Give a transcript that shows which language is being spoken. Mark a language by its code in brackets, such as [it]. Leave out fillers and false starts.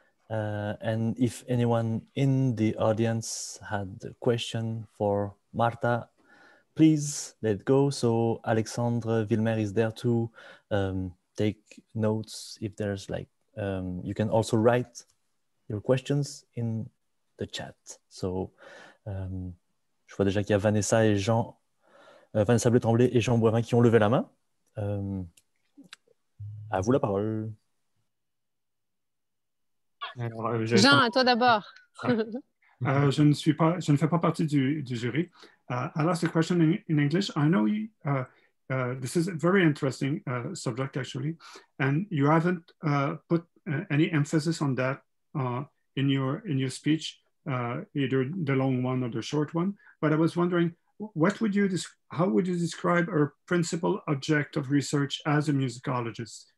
[en] And if anyone in the audience had a question for Marta, please let go. So Alexandre Villemer is there to take notes. If there's like, you can also write your questions in the chat. [fr] So je vois déjà qu'il y a Vanessa et Jean, Vanessa Bletremblay et Jean Boivin qui ont levé la main. À vous la parole. Jean, à toi d'abord. Je ne fais pas partie du jury. [en] I'll ask a question in English. I know you, this is a very interesting subject, actually, and you haven't put any emphasis on that in your speech, either the long one or the short one. But I was wondering, how would you describe her principal object of research as a musicologist?